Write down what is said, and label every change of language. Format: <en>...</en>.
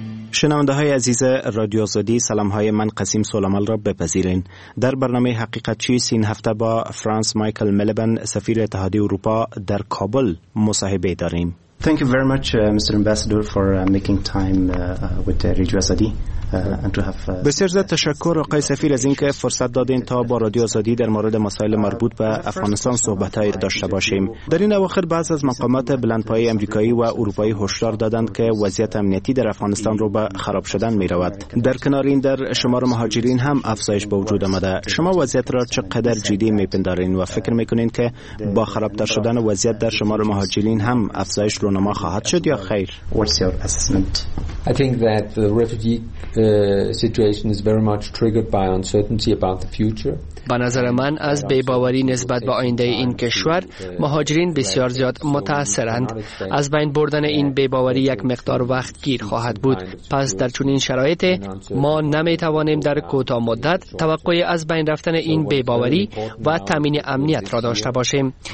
<fa>شنونده های عزیز رادیو آزادی، سلام های من قسیم سلامال را بپذیرین. در برنامه حقیقت چیست این هفته با فرانس مایکل ملبن، سفیر اتحادیه اروپا در کابل، مصاحبه داریم.</fa> <en>Thank you very much, Mr. Ambassador, for making time with Radio Azadi and to have.</en> <fa>بسیار زیاد تشکر آقای سفیر از اینکه فرصت دادین تا با رادیو آزادی در مورد مسائل مربوط به افغانستان صحبت‌های داشته باشیم. در این اواخر بعض از مقامات بلندپایه آمریکایی و اروپایی هشدار دادند که وضعیت امنیتی در افغانستان رو به خراب شدن می‌رود. در کنار این، در شمار مهاجرین هم افزایش به وجود آمده. شما وضعیت را چقدر جدی می‌پندارین و فکر می‌کنین که با خرابتر شدن وضعیت در شمار مهاجرین هم افزایش رونما خواهد شد یا خیر؟</fa> <en>What's your assessment? I think that the refugee the situation is very much triggered by uncertainty about the future.</en> <fa>به نظر من از بی‌باوری نسبت به آینده این کشور مهاجرین بسیار زیاد متاثرند. از بین بردن این بی‌باوری یک مقدار وقت گیر خواهد بود. پس در چنین شرایطی ما نمی‌توانیم در کوتاه مدت توقع از بین رفتن این بی‌باوری و تامین امنیت را داشته باشیم.</fa>